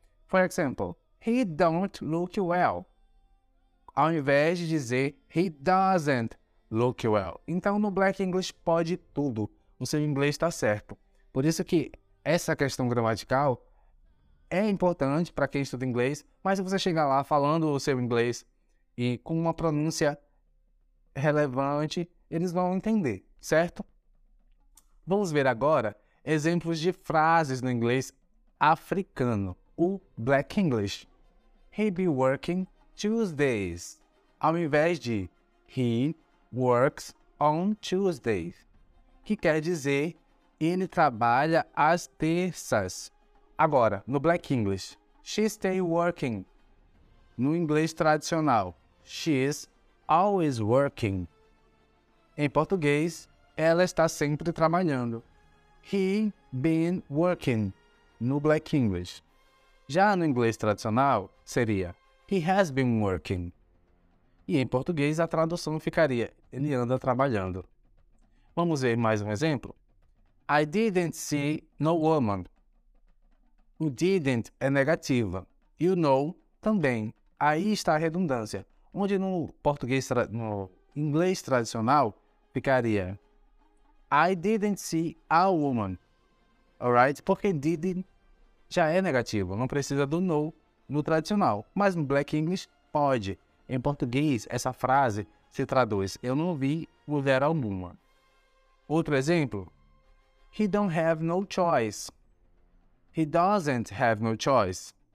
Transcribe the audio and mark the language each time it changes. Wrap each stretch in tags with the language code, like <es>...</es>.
<en>For example, he don't look well.</en> <pt>Ao invés de dizer,</pt> <en>he doesn't look well.</en> <pt>Então, no Black English, pode tudo. O seu inglês está certo. Por isso que essa questão gramatical é importante para quem estuda inglês, mas se você chegar lá falando o seu inglês e com uma pronúncia relevante, eles vão entender, certo? Vamos ver agora exemplos de frases no inglês africano, o Black English.</pt> <en>He be working Tuesdays,</en> <pt>ao invés de</pt> <en>he works on Tuesdays,</en> <pt>que quer dizer ele trabalha às terças. Agora, no</pt> <en>Black English, she stay working.</en> <pt>No inglês tradicional,</pt> <en>she is always working.</en> <pt>Em português, ela está sempre trabalhando.</pt> <en>He been working, no Black English.</en> <pt>Já no inglês tradicional, seria</pt> <en>he has been working.</en> <pt>E em português, a tradução ficaria ele anda trabalhando. Vamos ver mais um exemplo?</pt> <en>I didn't see no woman.</en> <pt>O didn't é negativa. E o no também. Aí está a redundância. Onde no português, no inglês tradicional, ficaria</pt> <en>I didn't see a woman. Alright?</en> <pt>Porque didn't já é negativo. Não precisa do no no tradicional. Mas no Black English, pode. Em português, essa frase se traduz eu não vi mulher alguma. Outro exemplo.</pt> <en>He don't have no choice. He doesn't have no choice.</en>